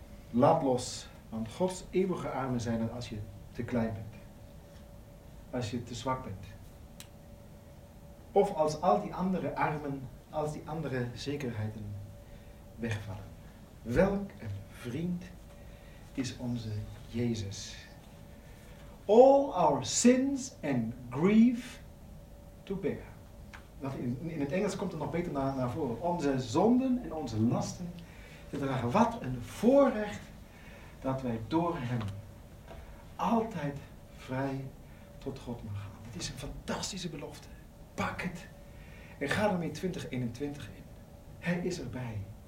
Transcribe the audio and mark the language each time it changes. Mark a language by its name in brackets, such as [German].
[Dutch] Laat los, want Gods eeuwige armen zijn er als je te klein bent. Als je te zwak bent. Of als al die andere armen, als die andere zekerheden wegvallen. Welk een vriend is onze Jezus. [English] All our sins and grief to bear. [Dutch] In het Engels komt het nog beter naar voren. Onze zonden en onze lasten te dragen. Wat een voorrecht dat wij door hem altijd vrij tot God mag gaan. Het is een fantastische belofte. Pak het en ga ermee 2021 in. Hij is erbij.